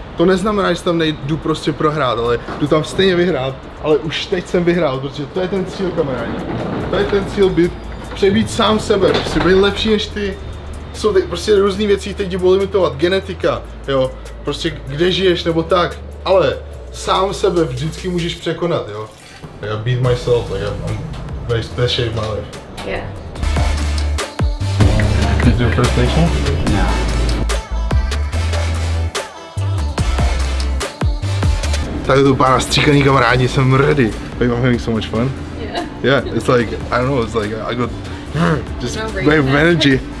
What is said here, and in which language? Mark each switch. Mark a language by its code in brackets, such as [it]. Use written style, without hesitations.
[cs] To neznamená, že tam nejdu prostě prohrát, ale jdu tam stejně vyhrát, ale už teď jsem vyhrál, protože to je ten cíl, kamarádi. To je ten cíl, přebít sám sebe, prostě být lepší než ty. Jsou ty prostě různý věci, které ti budou limitovat, genetika, jo, prostě kde žiješ nebo tak, ale sám sebe vždycky můžeš překonat, jo. [en] Like I beat myself, like I'm very special in my life. Yeah. Did you do a first nation? No. [cs] tak to pána stříkaný kamarádi, jsem ready. [en] Like, I'm having so much fun. Yeah. Yeah, it's like, I don't know, it's like, I got just way of energy.